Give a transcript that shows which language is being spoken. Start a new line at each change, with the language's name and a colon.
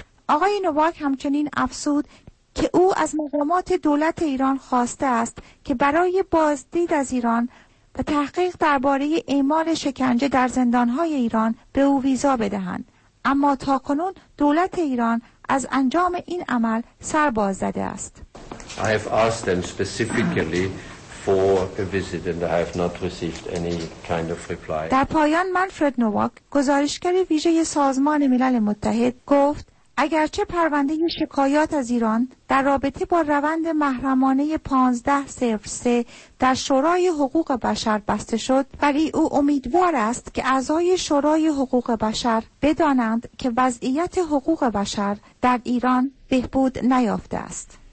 Persian: آقای نواک همچنین افسود که او از مقامات دولت ایران خواسته است که برای بازدید از ایران و تحقیق درباره اعمال شکنجه در زندان‌های ایران به او ویزا بدهند، اما تاکنون دولت ایران از انجام این عمل سر باز زده است.
English: I have asked them specifically for a visit and I have not received any kind of reply.
Persian: در پایان منفرد نواک گزارشگر ویژه سازمان ملل متحد گفت اگرچه پرونده شکایات از ایران در رابطه با روند محرمانه 1503 در شورای حقوق بشر بسته شد، ولی او امیدوار است که اعضای شورای حقوق بشر بدانند که وضعیت حقوق بشر در ایران بهبود نیافته است.